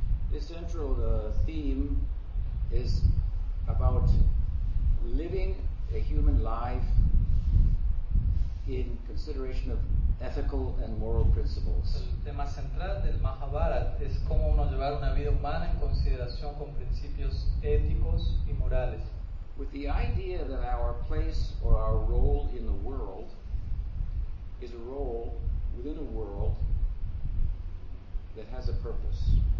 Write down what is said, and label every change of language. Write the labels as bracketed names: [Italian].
[English] The central theme is about living a human life in consideration of ethical and moral principles. [Spanish] El tema central del Mahabharata es cómo uno llevar una vida humana en consideración con principios éticos y morales. [English] With the idea that our place or our role in the world is a role within a world that has a purpose.